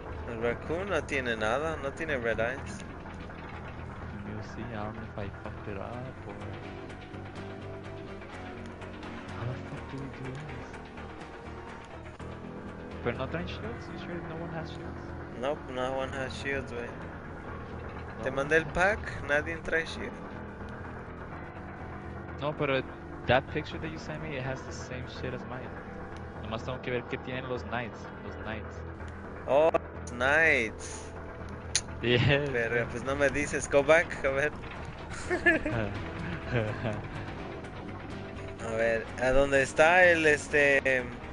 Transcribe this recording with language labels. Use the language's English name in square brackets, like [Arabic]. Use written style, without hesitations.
[Spanish] El raccoon no tiene nada, no tiene [English] red eyes. You see, I don't know if I fucked it up or... How the fuck do we do this? But not trying shields? You sure no one has shields? Nope, no one has shields, [Spanish] wey. No. Te mandé el pack, nadie trae shield. No, pero [English] that picture that you sent me, it has the same shit as mine. [Spanish] Nomás tengo que ver qué tienen los knights. Los knights. [English] Oh, knights. Yeah. [Spanish] Pero pues no me dices, [English] go back, [Spanish] a ver. A ver, ¿a dónde está el este?